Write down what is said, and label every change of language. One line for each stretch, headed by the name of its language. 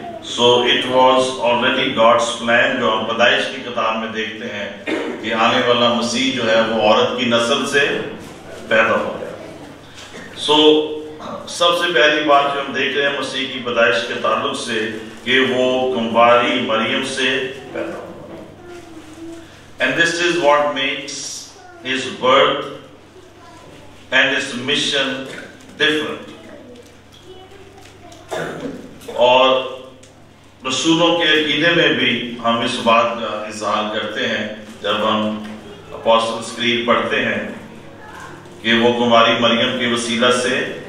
English: So it was already God's plan.
Urdu: جو ہم پیدائش کی کتاب میں دیکھتے ہیں کہ آنے والا مسیح جو ہے وہ عورت کی نسل سے پیدا ہو گیا. سو سب سے پہلی بات جو ہم دیکھ رہے ہیں مسیح کی پیدائش کے تعلق سے کہ وہ کنواری مریم سے پیدا ہوا.
English: And this is what makes his birth and his mission different.
Urdu: اور رسولوں کے عقیدے میں بھی ہم اس بات کا اظہار کرتے ہیں جب ہم اپوسٹلز کریڈ پڑھتے ہیں کہ وہ کنواری مریم کے وسیلہ سے